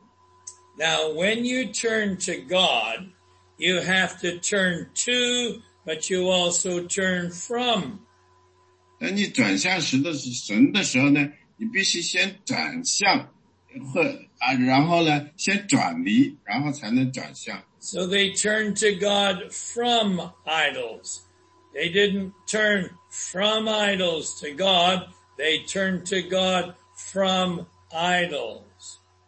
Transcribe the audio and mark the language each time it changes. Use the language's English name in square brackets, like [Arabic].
[English] when you turn to God, you have to turn to, but you also turn from. [Chinese] 当你转向神的时候呢，你必须先转向，然后呢，先转离，然后才能转向。 [English] So they turned to God from idols. They didn't turn from idols to God. They turned to God from idols.